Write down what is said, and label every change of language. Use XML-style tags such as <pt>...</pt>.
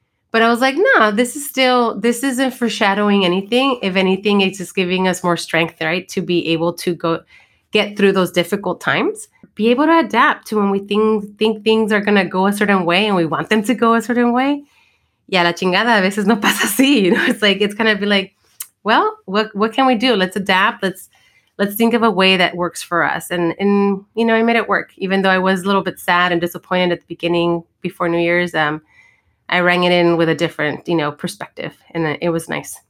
<en>But I was like, no, this isn't foreshadowing anything. If anything, it's just giving us more strength, right, to be able to go get through those difficult times, be able to adapt to when we think things are going to go a certain way and we want them to go a certain way.</en> <es>Ya la chingada, a veces no pasa así.</es> <en>You know, it's like, it's kind of be like, well, what can we do? Let's adapt. Let's think of a way that works for us. And you know, I made it work. Even though I was a little bit sad and disappointed at the beginning before New Year's, I rang it in with a different, you know, perspective. And it was nice.</en>